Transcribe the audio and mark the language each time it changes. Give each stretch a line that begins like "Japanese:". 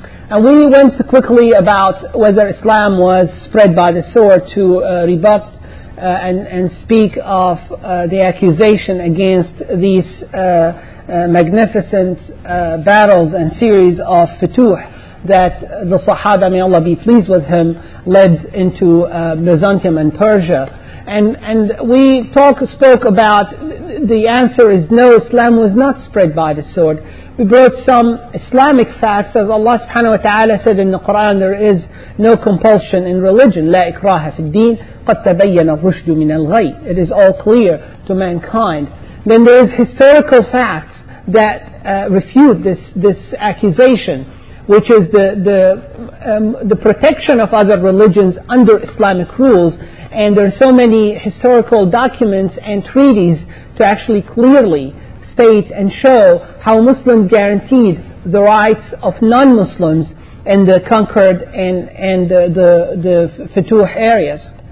English: And we went quickly about whether Islam was spread by the sword to rebut and speak of the accusation against these magnificent battles and series of futuh that the Sahaba, may Allah be pleased with him, led into Byzantium and Persia. And we spoke about the answer is no, Islam was not spread by the sword. We brought some Islamic facts, as Allah subhanahu wa ta'ala said in the Quran, there is no compulsion in religion.
Arabic: لا إكراه في الدين قد تبين الرشد من الغي.
English: It is all clear to mankind. Then there is historical facts that refute this accusation, which is the protection of other religions under Islamic rules. And there are so many historical documents and treaties to actually clearly state and show how Muslims guaranteed the rights of non-Muslims in the conquered and the futuh areas.